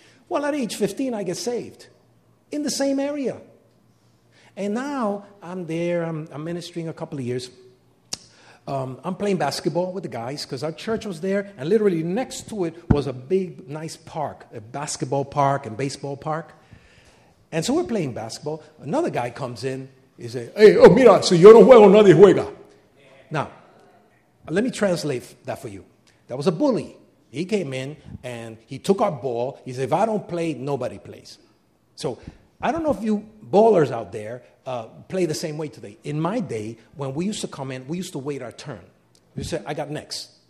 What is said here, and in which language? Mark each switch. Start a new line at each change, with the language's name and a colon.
English: Well, at age 15, I get saved in the same area. And now I'm there. I'm ministering a couple of years. I'm playing basketball with the guys because our church was there. And literally next to it was a big, nice park, a basketball park and baseball park. And so we're playing basketball. Another guy comes in. He said, hey,
Spanish: oh, mira, si yo no juego, nadie juega.
English: Now, let me translate that for you. That was a bully. He came in and he took our ball. He said, if I don't play, nobody plays. So I don't know if you ballers out there play the same way today. In my day, when we used to come in, we used to wait our turn. We said, I got next.